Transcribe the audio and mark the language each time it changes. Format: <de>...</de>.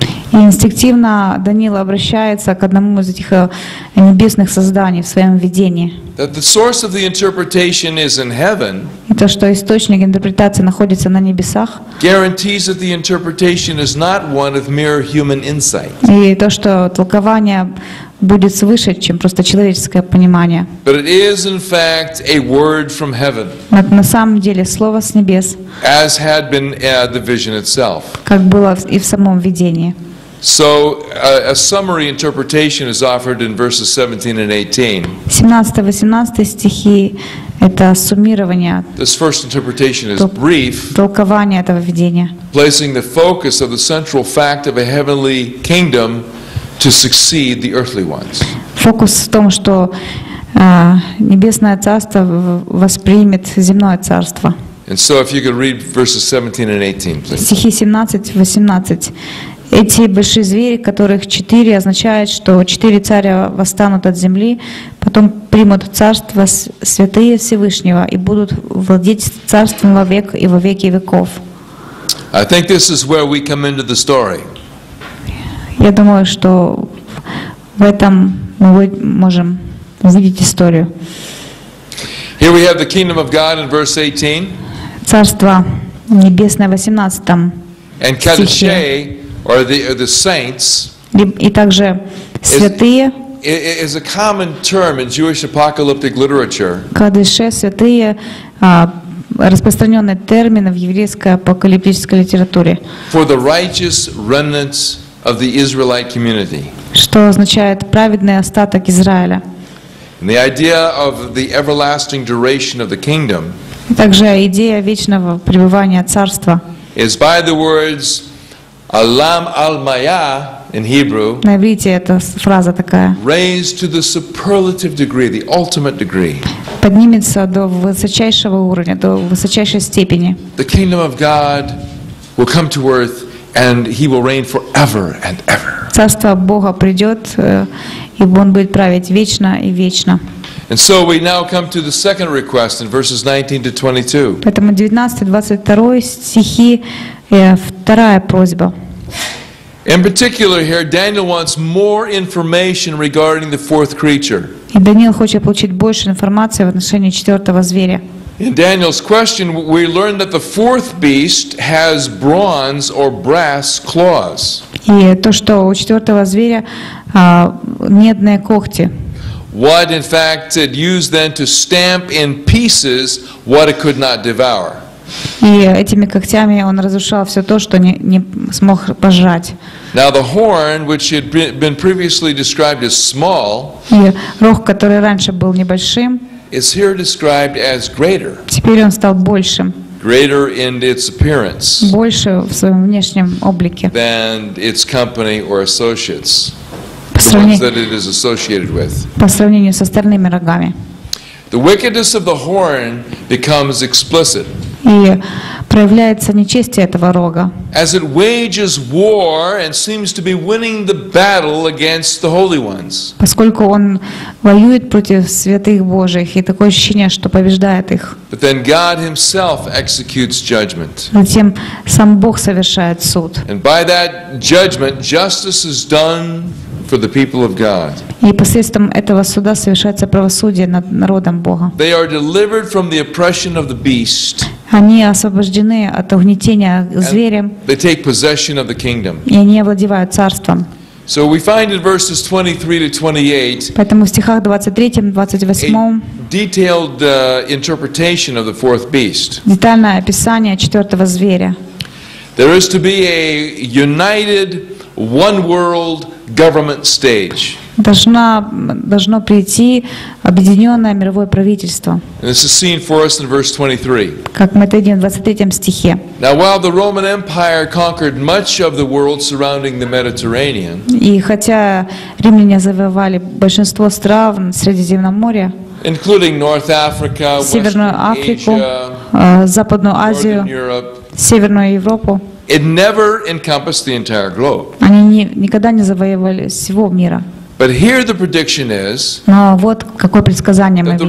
<ru>И инстинктивно Даниил обращается к одному из этих небесных созданий в своем видении.</ru> <en>That the source of the interpretation is in heaven.</en> <ru>То, что источник интерпретации находится на небесах.</ru> <en>Guarantees that the interpretation is not one of mere human insight.</en> <ru>И то, что толкование будет свыше, чем просто человеческое понимание.</ru> <en>But it is in fact a word from heaven.</en> <ru>На самом деле слово с небес.</ru> <en>As had been the vision itself.</en> <ru>Как было и в самом видении.</ru> <en>So a summary interpretation is offered in verses 17 and 18.</en> <ru>17-18 стихи это суммирование.</ru> <en>This first interpretation is brief.</en> <ru>Толкование этого видения.</ru> <en>Placing the focus of the central fact of a heavenly kingdom to succeed the earthly ones.</en> <ru>Фокус в том, что небесное царство воспримет земное царство.</ru> <en>And so if you could read verses 17 and 18, please.</en> <ru>Стихи 17-18. Эти большие звери, которых четыре, означают, что четыре царя восстанут от земли, потом примут царство святые Всевышнего и будут владеть царством во век и во веки веков.</ru> <en>I think this is where we come into the story.</en> <ru>Я думаю, что в этом мы можем увидеть историю.</ru> <en>Here we have the kingdom of God in verse 18.</en> <ru>Царство небесное в 18-м стихе.</ru> <en>Or the saints.</en> <ru>И также святые.</ru> <en>Is a common term in Jewish apocalyptic literature.</en> <ru>Кадыше святые распространенный термин в еврейской апокалиптической литературе.</ru> <en>For the righteous remnants of the Israelite community.</en> <ru>Что что означает праведный остаток Израиля.</ru> <en>And the idea of the everlasting duration of the kingdom.</en> <ru>Также идея вечного пребывания царства.</ru> <en>Is by the words Alam al Maya in Hebrew.</en> <ru>На иврите эта фраза такая.</ru> <en>Raised to the superlative degree, the ultimate degree.</en> <ru>Поднимется до высочайшего уровня, до высочайшей степени.</ru> <en>The kingdom of God will come to earth, and He will reign forever and ever.</en> <ru>Царство Бога придет, и Он будет править вечно и вечно.</ru> <en>And so we now come to the second request in verses 19-22.</en> <ru>Поэтому 19-22 стихи вторая просьба.</ru> <en>In particular, here Daniel wants more information regarding the fourth creature.</en> <ru>И Даниил хочет получить больше информации в отношении четвертого зверя.</ru> <en>In Daniel's question, we learn that the fourth beast has bronze or brass claws.</en> <ru>И то, что у четвертого зверя медные когти.</ru> <en>What, in fact, it used then to stamp in pieces what it could not devour.</en> <ru>И этими когтями он разрушал все то, что не смог пожрать.</ru> <en>Now the horn, which had been previously described as small,</en> <ru>и рог, который раньше был небольшим,</ru> <en>is here described as greater.</en> <ru>Теперь он стал большим.</ru> <en>Greater in its appearance.</en> <ru>Больше в своем внешнем облике.</ru> <en>Than its company or associates. The ones that it is associated with.</en> <ru>По сравнению с остальными рогами.</ru> <en>The wickedness of the horn becomes explicit.</en> <ru>И проявляется нечестие этого рога.</ru> <en>As it wages war and seems to be winning the battle against the holy ones.</en> <ru>Поскольку он воюет против святых Божьих, и такое ощущение, что побеждает их.</ru> <en>But then God Himself executes judgment.</en> <ru>Затем сам Бог совершает суд.</ru> <en>And by that judgment, justice is done for the people of God.</en> <ru>И посредством этого суда совершается правосудие над народом Бога.</ru> <en>They are delivered from the oppression of the beast.</en> <ru>Они освобождены от угнетения зверем.</ru> <en>They take possession of the kingdom.</en> <ru>И они овладевают царством.</ru> <en>So we find in verses 23-28.</en> <ru>Поэтому в стихах 23-28</ru> <en>detailed interpretation of the fourth beast.</en> <ru>Детальное описание четвертого зверя.</ru> <en>There is to be a united one world government stage.</en> <ru>Должно прийти объединенное мировое правительство.</ru> <en>This is seen for us in verse 23.</en> <ru>Как мы это видим в 23 стихе.</ru> <en>Now while the Roman Empire conquered much of the world surrounding the Mediterranean.</en> <ru>И хотя римляне завоевали большинство стран Средиземноморья,</ru> <en>including North Africa,</en> <ru>Северную Африку, Западную Азию, Северную Европу.</ru> <en>It never encompassed the entire globe.</en> <ru>Они никогда не завоевали всего мира.</ru> <en>But here the prediction is.</en> <ru>Но вот какое предсказание мы видим.</ru>